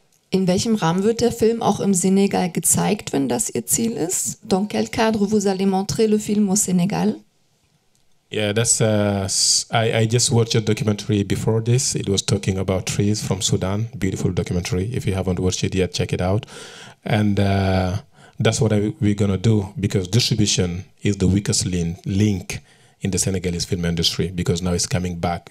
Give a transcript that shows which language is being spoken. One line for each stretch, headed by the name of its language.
German: In welchem Rahmen wird der Film auch im Senegal gezeigt, wenn das Ihr Ziel ist?
French: Dans quel cadre vous allez montrer le film au Sénégal?
English: Yeah, that's I just watched your documentary before this. It was talking about trees from Sudan. Beautiful documentary. If you haven't watched it yet, check it out. And that's what we're gonna do, because distribution is the weakest link in the Senegalese film industry, because now it's coming back.